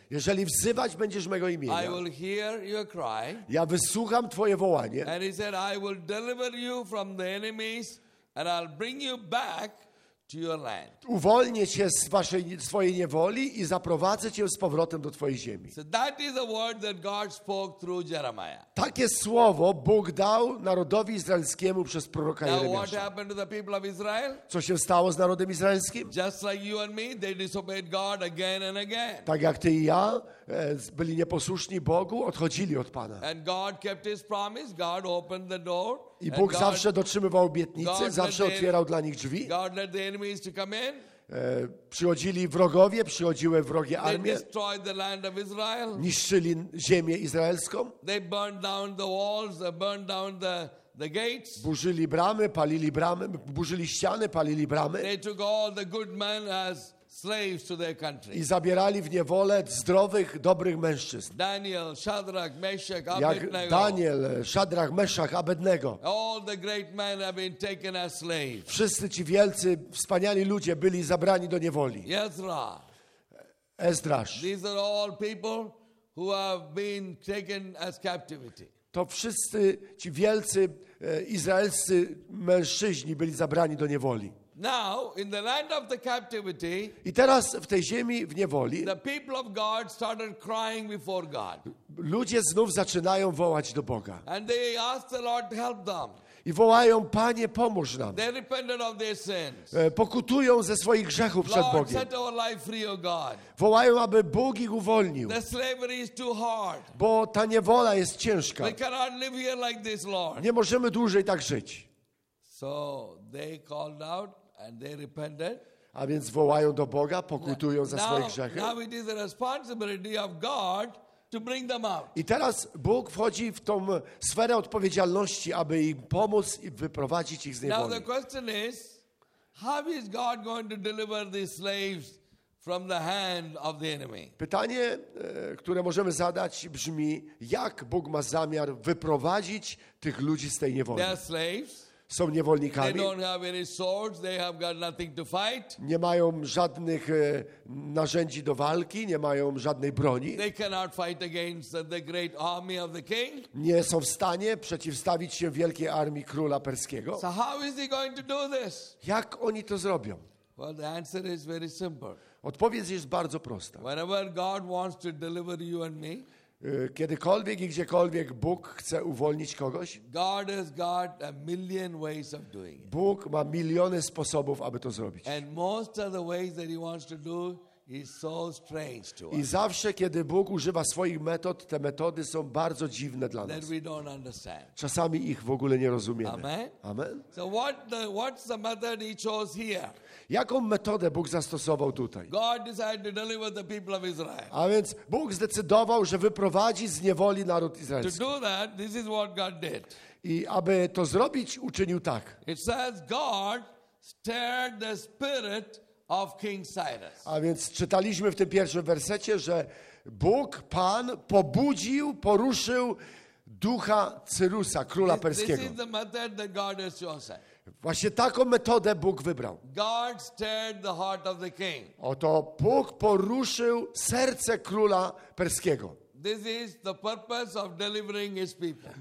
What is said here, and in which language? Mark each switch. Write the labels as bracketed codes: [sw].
[pl] jeżeli wzywać będziesz mego imienia, [en] I will hear your cry, [pl] ja wysłucham twoje wołanie. [en] And he said, I will deliver you from the enemies and I'll bring you back to your land. [pl] Uwolnię cię z waszej swojej niewoli i zaprowadzę cię z powrotem do twojej ziemi. [en] So that is the word that God spoke through Jeremiah. [pl] Takie słowo Bóg dał narodowi izraelskiemu przez proroka Jeremiasza. [en] Now what happened to the people of Israel? [pl] Co się stało z narodem izraelskim? [en] Just like you and me, they disobeyed God again and again. [pl] Tak jak ty i ja, byli nieposłuszni Bogu, odchodzili od Pana. [en] And God kept his promise, God opened the door. [pl] I Bóg zawsze dotrzymywał obietnicy, zawsze otwierał dla nich drzwi. [en] God let the enemies to come in. [pl] Przychodzili wrogowie, przychodziły wrogie armie. [en] They destroyed the land of Israel. [pl] Niszczyli ziemię izraelską. [en] They burned down the walls, they burned down the gates. [pl] Burzyli bramy, palili bramy, burzyli ściany, palili bramy. [en] They took all the good men as slaves to their country. [pl] I zabierali w niewolę zdrowych, dobrych mężczyzn. [en] Daniel, Shadrach, Meshach, Abednego. [pl] Jak Daniel, Shadrach, Meshach, Abednego. [en] All the great men have been taken as slaves. [pl] Wszyscy ci wielcy, wspaniali ludzie byli zabrani do niewoli. [en] Ezra. [pl] Ezdrasz. [en] These are all people who have been taken as captivity. [pl] To wszyscy ci wielcy izraelscy mężczyźni byli zabrani do niewoli. [en] Now in the land of the captivity, [pl] i teraz w tej ziemi w niewoli, [en] the people of God started crying before God. [pl] Ludzie znów zaczynają wołać do Boga. [en] And they asked the Lord to help them. [pl] I wołają: Panie, pomóż nam. [en] They repented of their sins. [pl] Pokutują ze swoich grzechów przed Bogiem. [en] Lord, set our life free, O God. [pl] Wołają, aby Bóg ich uwolnił. [en] The slavery is too hard. [pl] Bo ta niewola jest ciężka. [en] We cannot live here like this, Lord. [pl] Nie możemy dłużej tak żyć. [en] So they called out and they repented. [pl] A więc wołają do Boga, pokutują za swoje grzechy. [en] Now it is the responsibility of God to bring them out. [pl] I teraz Bóg wchodzi w tą sferę odpowiedzialności, aby im pomóc i wyprowadzić ich z niewoli. [en] Now the question is, how is God going to deliver these slaves from the hand of the enemy? [pl] Pytanie, które możemy zadać, brzmi: jak Bóg ma zamiar wyprowadzić tych ludzi z tej niewoli? [en] They are slaves. [pl] Są niewolnikami. [en] They don't have any swords, they have got nothing to fight. [pl] Nie mają żadnych narzędzi do walki, nie mają żadnej broni. [en] They cannot fight against the great army of the king. [pl] Nie są w stanie przeciwstawić się wielkiej armii króla perskiego. [en] So how is he going to do this? [pl] Jak oni to zrobią? [en] Well, the answer is very simple. [pl] Odpowiedź jest bardzo prosta. [en] Whenever God wants to deliver you and me, [pl] kiedykolwiek i gdziekolwiek Bóg chce uwolnić kogoś, [en] God has got a million ways of doing it. [pl] Bóg ma miliony sposobów, aby to zrobić. [en] And most of the ways that he wants to do is so strange to us. [pl] I zawsze, kiedy Bóg używa swoich metod, te metody są bardzo dziwne dla nas. [en] That we don't understand. [pl] Czasami ich w ogóle nie rozumiemy. Amen. Amen. [en] So what's the method he chose here? [pl] Jaką metodę Bóg zastosował tutaj? [en] God decided to deliver the people of Israel. [pl] A więc Bóg zdecydował, że wyprowadzi z niewoli naród izraelski. [en] To do that, this is what God did. [pl] I aby to zrobić, uczynił tak. [en] It says God stirred the spirit of King Cyrus. [pl] A więc czytaliśmy w tym pierwszym wersecie, że Bóg, Pan pobudził, poruszył ducha Cyrusa, króla perskiego. [en] This is the method that God has chosen. [pl] Właśnie taką metodę Bóg wybrał. [en] God stirred the heart of the king. [pl] Oto Bóg poruszył serce króla perskiego. [en] This is the purpose of delivering his people.